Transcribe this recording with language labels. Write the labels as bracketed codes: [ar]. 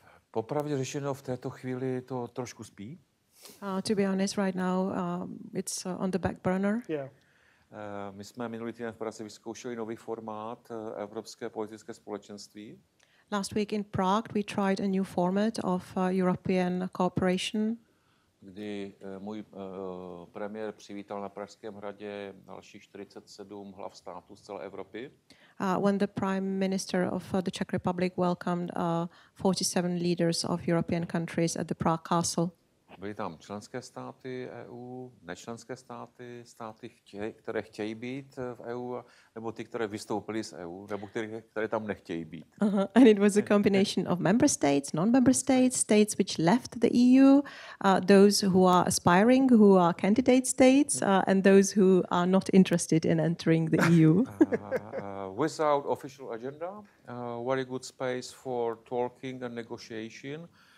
[cs] Popravdě řešeno, v této chvíli to trošku spí. [en] To be honest, right now it's on the back burner. Yeah. [cs] My jsme minulý týden v Praze vyzkoušeli nový formát Evropské politické společenství. [en] Last week in Prague we tried a new format of European cooperation. [cs] Kdy můj premiér přivítal na Pražském hradě dalších 47 hlav států z celé Evropy. [en] When the Prime Minister of the Czech Republic welcomed 47 leaders of European countries at the Prague Castle. [cs] Byly tam členské státy EU, nečlenské státy, státy, které chtějí být v EU, nebo ty, které vystoupily z EU, nebo které tam nechtějí být. Uh-huh. [en] And it was a combination of member states, non-member states, states which left the EU, those who are aspiring, who are candidate states, and those who are not interested in entering the EU. Without official agenda, very good space for talking and negotiation.